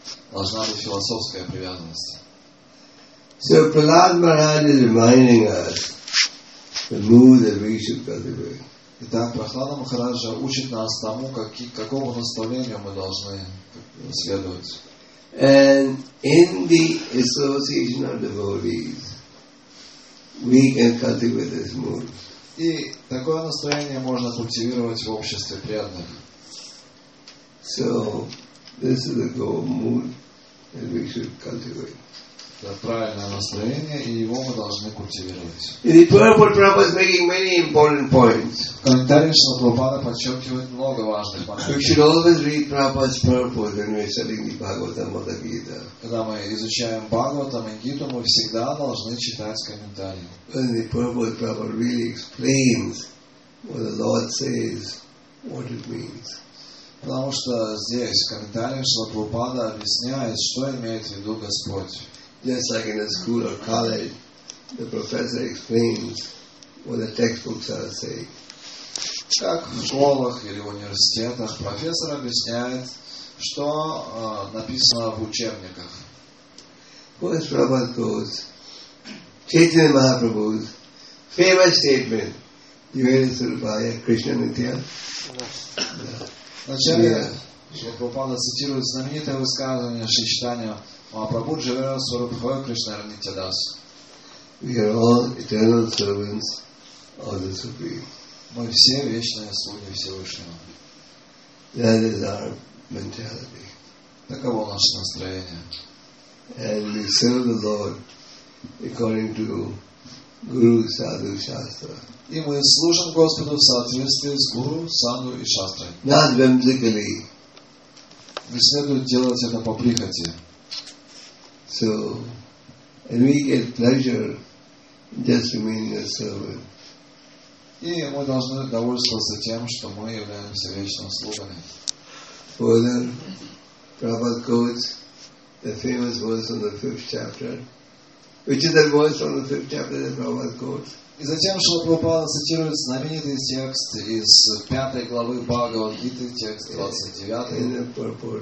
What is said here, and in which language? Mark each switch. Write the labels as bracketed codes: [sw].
[ru] Должна быть философская привязанность. [en] So Prahlad Maharaj is reminding us the mood that we should cultivate. [ru] Итак, Прахлада Махараджа учит нас тому, какому наставлению мы должны следовать. [en] And in the association of devotees, we can cultivate this mood. [ru] И такое настроение можно культивировать в обществе преданных. [en] So, this is the goal mood that we should cultivate. [ru] Это правильное настроение, и его мы должны культивировать. [en] In the purport, Prabhupada is making many important points. [ru] В комментарии Шрила Прабхупада подчеркивает много важных моментов. [en] We should always read Prabhupada's purport when we are studying the Bhagavatam or the Gita. [ru] Когда мы изучаем Бхагаватам и Гиту, мы всегда должны читать комментарии. [en] In the purport, Prabhupada really explains what the Lord says, what it means. [ru] Потому что здесь, в комментарии Шрила Прабхупада объясняет, что имеет в виду Господь. [en] Just like in a school or college, the professor explains what the textbooks are saying. [ru] Как в школах или в университетах профессор объясняет, что написано в учебниках. [en] First, Prabhupada quotes Chaitanya Mahaprabhu's famous statement, [bn] "Yuvaya Surupaya Krishna Nitya." [ru] Начальник Прабхупада цитирует знаменитое высказывание Шри Чайтанья Махапрабху Дживера Сурабхой Кришна Нитядас. [en] We are all eternal servants of the Supreme. [ru] Мы все вечные слуги Всевышнего. [en] That is our mentality. [ru] Таково наше настроение. [en] and serve the Lord according to Guru, Sadhu, Shastra. [ru] И мы служим Господу в соответствии с Гуру, Садху и Шастрой. [en] Not whimsically. [ru] Не следует делать это по прихоти. [en] So, and we get pleasure just remaining a servant. [ru] И мы должны довольствоваться тем, что мы являемся вечным слугами. [en] Further, Prabhupada quotes the famous verse on the fifth chapter. Which is the verse on the fifth chapter that Prabhupada quotes? [ru] И затем Шрила Прабхупада цитирует знаменитый текст из пятой главы Бхагавад-гиты, текст 29.